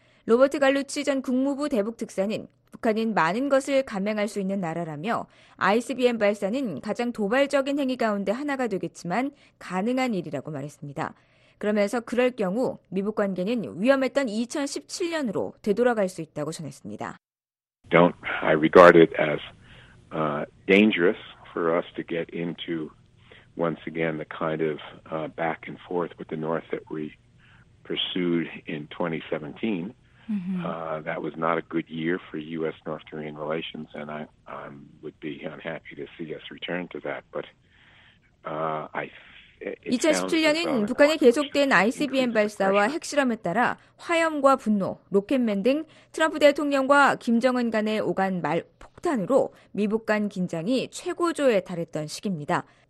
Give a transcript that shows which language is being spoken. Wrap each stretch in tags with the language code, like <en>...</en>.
<ko>로버트 갈루치 전 국무부 대북특사는 북한은 많은 것을 감행할 수 있는 나라라며 ICBM 발사는 가장 도발적인 행위 가운데 하나가 되겠지만 가능한 일이라고 말했습니다. 그러면서 그럴 경우 미북 관계는 위험했던 2017년으로 되돌아갈 수 있다고 전했습니다.</ko> <en>I regard it as dangerous for us to get into once again the kind of back and forth with the North that we pursued in 2017. That was not a good year for U.S. North Korean relations, and I would be unhappy to see us return to that. But</en> <ko>I 2017년은 북한의 계속된 ICBM 발사와 핵실험에 따라 화염과 분노, 로켓맨 등 트럼프 대통령과 김정은 간의 오간 말 폭탄으로 미북 간 긴장이 최고조에 달했던 시기입니다.</ko>